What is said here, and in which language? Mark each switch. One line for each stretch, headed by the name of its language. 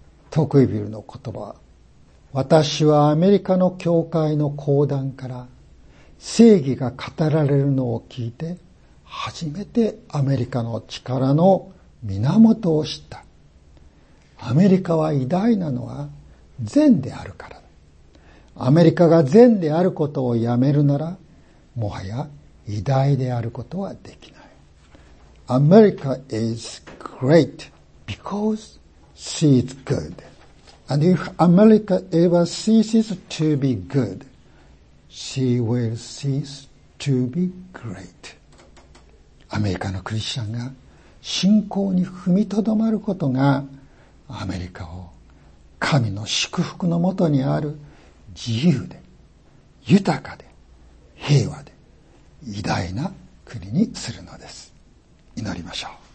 Japanese: トクイビルの言葉は、私はアメリカの教会の講談から正義が語られるのを聞いて、初めてアメリカの力の源を知った。アメリカは偉大なのは善であるから。アメリカが善であることをやめるなら、もはや偉大であることはできない。
English: America is great because she is good. And if America ever ceases to be good, she will cease to be great.
Japanese: アメリカのクリスチャンが信仰に踏みとどまることが、アメリカを神の祝福のもとにある自由で、豊かで、平和で、偉大な国にするのです。祈りましょう。